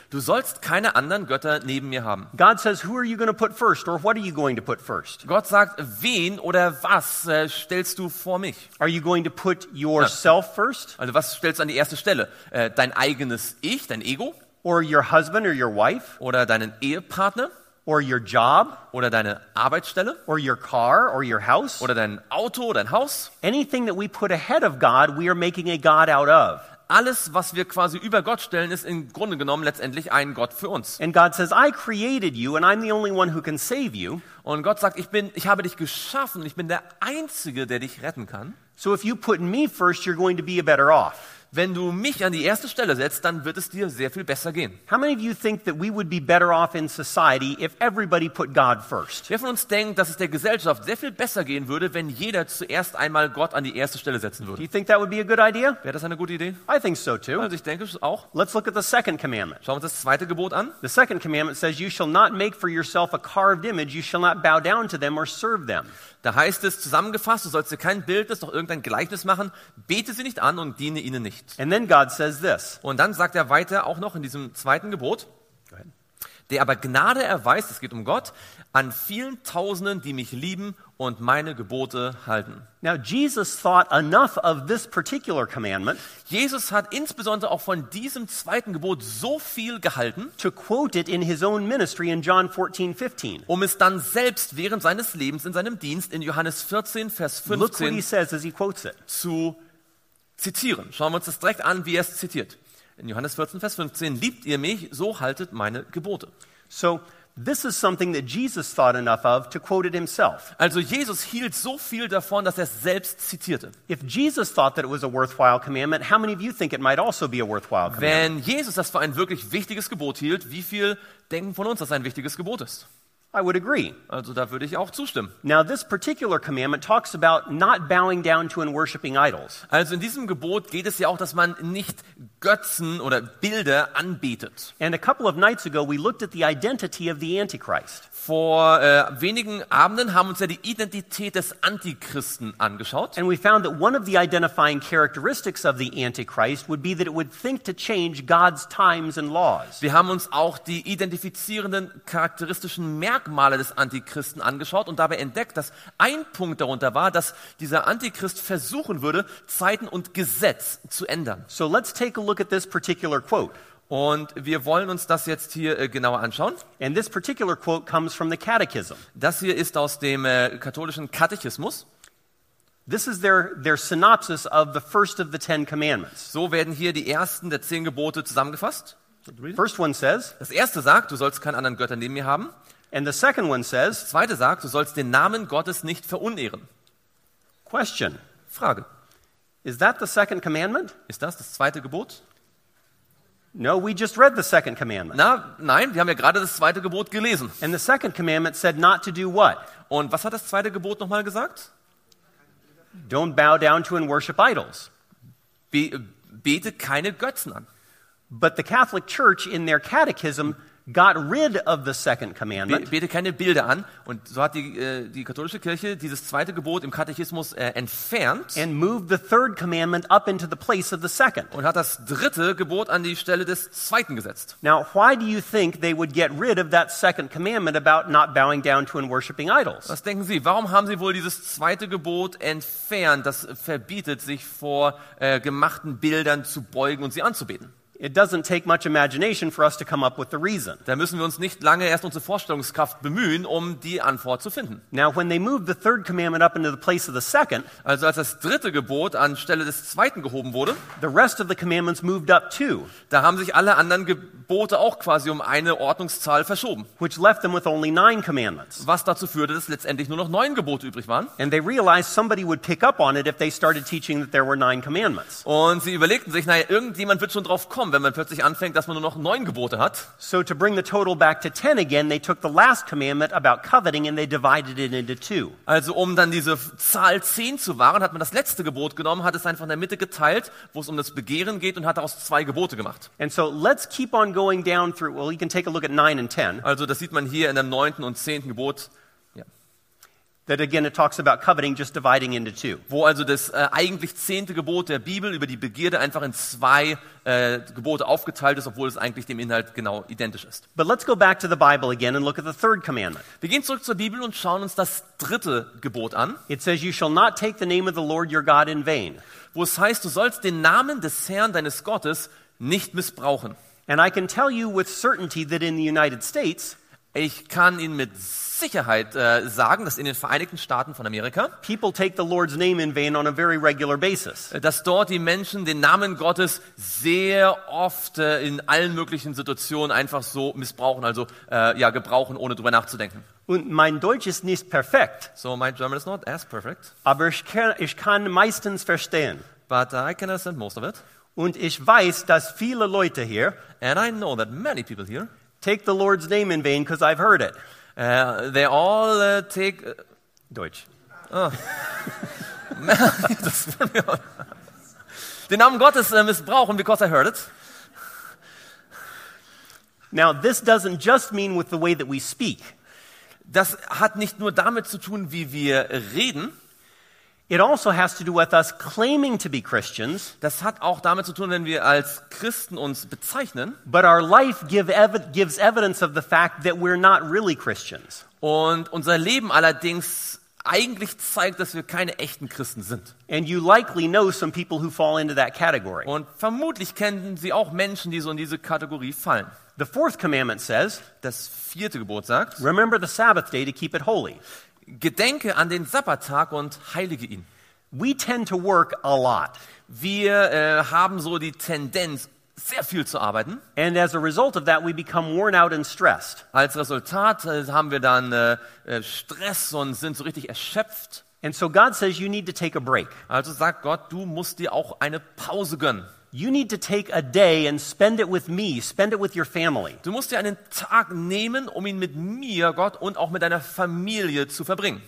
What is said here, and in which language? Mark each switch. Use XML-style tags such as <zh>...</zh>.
<de>Du sollst keine anderen Götter neben mir haben.</de> <en>God says, who are you going to put first or what are you going to put first?</en> <de>Gott sagt, wen oder was stellst du vor mich?</de> <en>Are you going to put yourself first?</en> <de>Also was stellst du an die erste Stelle? Dein eigenes Ich, dein Ego?</de> <en>Or your husband or your wife?</en> <de>Oder deinen Ehepartner?</de> <en>Or your job?</en> <de>Oder deine Arbeitsstelle?</de> <en>Or your car or your house?</en> <de>Oder dein Auto, dein Haus?</de> <en>Anything that we put ahead of God, we are making a god out of.</en> <de>alles, was wir quasi über Gott stellen, ist im Grunde genommen letztendlich ein Gott für uns.</de> <en>And God says, I created you and I'm the only one who can save you.</en> <de>Und Gott sagt, ich habe dich geschaffen, ich bin der Einzige, der dich retten kann.</de> <en>So if you put me first, you're going to be better off.</en> <de>Wenn du mich an die erste Stelle setzt, dann wird es dir sehr viel besser gehen.</de> <en>How many of you think that we would be better off in society if everybody put God first?</en> <de>Wer von uns denkt, dass es der Gesellschaft sehr viel besser gehen würde, wenn jeder zuerst einmal Gott an die erste Stelle setzen würde?</de> <en>Do you think that would be a good idea?</en> <de>Wäre das eine gute Idee?</de> <en>I think so too.</en> <de>Also ich denke es auch.</de> <en>Let's look at the second commandment.</en> <de>Schauen wir uns das zweite Gebot an.</de> <en>The second commandment says, "You shall not make for yourself a carved image. You shall not bow down to them or serve them."</en> <de>Da heißt es zusammengefasst, du sollst dir kein Bildnis, noch irgendein Gleichnis machen, bete sie nicht an und diene ihnen nicht.</de> <en>And then God says this.</en> <de>Und dann sagt er weiter auch noch in diesem zweiten Gebot, der aber Gnade erweist, es geht um Gott, an vielen Tausenden, die mich lieben und meine Gebote halten.</de> <en>Now Jesus thought enough of this particular commandment.</en> <de>Jesus hat insbesondere auch von diesem zweiten Gebot so viel gehalten,</de> <en>to quote it in his own ministry in John 14:15.</en> <de>Um es dann selbst während seines Lebens in seinem Dienst in Johannes 14 Vers 15.</de> <en>Look what he says as he quotes it.</en> <de>Zu zitieren. Schauen wir uns das direkt an, wie er es zitiert. In Johannes 14 Vers 15: Liebt ihr mich, so haltet meine Gebote.</de> <en>So this is something that Jesus thought enough of to quote it himself.</en> <de>Also Jesus hielt so viel davon, dass er es selbst zitierte.</de> <en>If Jesus thought that it was a worthwhile commandment, how many of you think it might also be a worthwhile commandment?</en> <de>Wenn Jesus das für ein wirklich wichtiges Gebot hielt, wie viel denken von uns, dass es ein wichtiges Gebot ist?</de> <en>I would agree.</en> <de>Also da würde ich auch zustimmen.</de> <en>Now this particular commandment talks about not bowing down to and worshiping idols.</en> <de>Also in diesem Gebot geht es ja auch, dass man nicht Götzen oder Bilder anbetet.</de> <en>And a couple of nights ago we looked at the identity of the Antichrist.</en> <de>Vor wenigen Abenden haben uns ja die Identität des Antichristen angeschaut.</de> <en>And we found that one of the identifying characteristics of the Antichrist would be that it would think to change God's times and laws.</en> <de>Wir haben uns auch die identifizierenden charakteristischen Merkmale des Antichristen angeschaut und dabei entdeckt, dass ein Punkt darunter war, dass dieser Antichrist versuchen würde, Zeiten und Gesetz zu ändern.</de> <en>So let's take a look at this particular quote.</en> <de>Und wir wollen uns das jetzt hier genauer anschauen.</de> <en>And this particular quote comes from the catechism.</en> <de>Das hier ist aus dem katholischen Katechismus.</de> <en>This is their synopsis of the first of the Ten Commandments.</en> <de>So werden hier die ersten der 10 Gebote zusammengefasst.</de> <en>First one says,</en> <de>das erste sagt, du sollst keinen anderen Götter neben mir haben.</de> <en>And the second one says,</en> <de>das zweite sagt, du sollst den Namen Gottes nicht verunehren.</de> <en>Question.</en> <de>Frage.</de> <en>Is that the second commandment?</en> <de>Ist das das zweite Gebot?</de> <en>No, we just read the second commandment.</en> <de>Nein, wir haben ja gerade das zweite Gebot gelesen.</de> <en>And the second commandment said not to do what?</en> <de>Und was hat das zweite Gebot nochmal gesagt?</de> <en>Don't bow down to and worship idols.</en> <de>Bete keine Götzen an.</de> <en>But the Catholic Church in their catechism got rid of the second commandment.</en> <de>Bete keine Bilder an. Und so hat die katholische Kirche dieses zweite Gebot im Katechismus entfernt.</de> <en>And moved the third commandment up into the place of the second.</en> <de>Und hat das dritte Gebot an die Stelle des zweiten gesetzt.</de> <en>Now, why do you think they would get rid of that second commandment about not bowing down to and worshiping idols?</en> <de>Was denken Sie, warum haben Sie wohl dieses zweite Gebot entfernt, das verbietet, sich vor gemachten Bildern zu beugen und sie anzubeten?</de> <en>It doesn't take much imagination for us to come up with the reason.</en> <de>Da müssen wir uns nicht lange erst unsere Vorstellungskraft bemühen, um die Antwort zu finden.</de> <en>Now, when they moved the third commandment up into the place of the second,</en> <de>also als das dritte Gebot anstelle des zweiten gehoben wurde,</de> <en>the rest of the commandments moved up too.</en> <de>Da haben sich alle anderen Gebote auch quasi um eine Ordnungszahl verschoben.</de> <en>Which left them with only 9 commandments.</en> <de>Was dazu führte, dass letztendlich nur noch 9 Gebote übrig waren.</de> <en>And they realized somebody would pick up on it if they started teaching that there were 9 commandments.</en> <de>Und sie überlegten sich, naja, irgendjemand wird schon drauf kommen, wenn man plötzlich anfängt, dass man nur noch 9 Gebote hat.</de> <en>So to bring the total back to 10 again, they took the last commandment about coveting and they divided it into 2.</en> <de>Also um dann diese Zahl 10 zu wahren, hat man das letzte Gebot genommen, hat es einfach in der Mitte geteilt, wo es um das Begehren geht und hat daraus 2 Gebote gemacht.</de> <en>And so let's keep on going down through, well you can take a look at 9 and 10.</en> <de>Also das sieht man hier in dem 9. und 10. Gebot.</de> <en>That again it talks about coveting just dividing into 2.</en> <de>Wo also das eigentlich 10. Gebot der Bibel über die Begierde einfach in 2 Gebote aufgeteilt ist, obwohl es eigentlich dem Inhalt genau identisch ist.</de> <en>But let's go back to the Bible again and look at the third commandment.</en> <de>Wir gehen zurück zur Bibel und schauen uns das dritte Gebot an.</de> <en>It says you shall not take the name of the Lord your God in vain.</en> <de>Wo es heißt, du sollst den Namen des Herrn deines Gottes nicht missbrauchen.</de> <en>And I can tell you with certainty that in the United States,</en> <de>Ich kann Ihnen mit Sicherheit sagen, dass in den Vereinigten Staaten von Amerika</de> <en>people take the Lord's name in vain on a very regular basis.</en> <de>Dass dort die Menschen den Namen Gottes sehr oft in allen möglichen Situationen einfach so missbrauchen, also ja gebrauchen, ohne drüber nachzudenken. Und mein Deutsch ist nicht perfekt.</de> <en>So my German is not as perfect.</en> <de>Aber ich kann meistens verstehen.</de> <en>But I can understand most of it.</en> <de>Und ich weiß, dass viele Leute hier</de> <en>and I know that many people here take the Lord's name in vain because I've heard it. They all take</en> <de>Deutsch. Den Namen Gottes missbrauchen</de> <en>because I heard it. Now this doesn't just mean with the way that we speak.</en> <de>Das hat nicht nur damit zu tun, wie wir reden.</de> <en>It also has to do with us claiming to be Christians.</en> <de>Das hat auch damit zu tun, wenn wir als Christen uns bezeichnen.</de> <en>But our life gives evidence of the fact that we're not really Christians.</en> <de>Und unser Leben allerdings eigentlich zeigt, dass wir keine echten Christen sind.</de> <en>And you likely know some people who fall into that category.</en> <de>Und vermutlich kennen Sie auch Menschen, die so in diese Kategorie fallen.</de> <en>The fourth commandment says,</en> <de>das vierte Gebot sagt,</de> <en>remember the Sabbath day to keep it holy.</en> <de>Gedenke an den Sabbattag und heilige ihn.</de> <en>We tend to work a lot.</en> <de>Wir haben so die Tendenz, sehr viel zu arbeiten.</de> <en>And as a result of that, we become worn out and stressed.</en> <de>Als Resultat haben wir dann Stress und sind so richtig erschöpft.</de> <en>And so God says, you need to take a break.</en> <de>Also sagt Gott, du musst dir auch eine Pause gönnen.</de> <en>You need to take a day and spend it with me, spend it with your family.</en> <de>Du musst dir einen Tag nehmen, um ihn mit mir, Gott, und auch mit deiner Familie zu verbringen.</de>